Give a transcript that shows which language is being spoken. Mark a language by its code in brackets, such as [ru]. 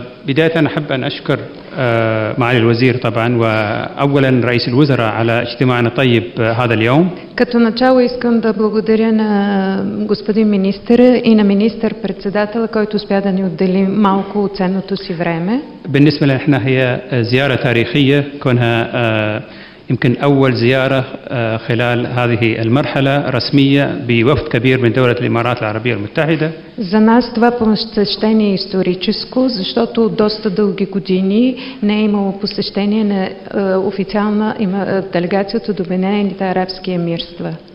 [ar] بداية أحب أن أشكر معالي الوزير طبعا وأولا رئيس الوزراء على اجتماعنا الطيب هذا اليوم. [bg] Като начало искам да благодаря на господин министър и на министър-председателя, който успя да ни отдели малко от ценното си време. [ar] بالنسبة لنا احنا هي زيارة تاريخية كونها يمكن أول زيارة خلال هذه المرحلة رسمية بوفد كبير من دولة الإمارات العربية المتحدة. [bg] За нас това посещение е историческо, защото от доста дълги години не е имало посещение на официална делегация от Обединените арабски емирства.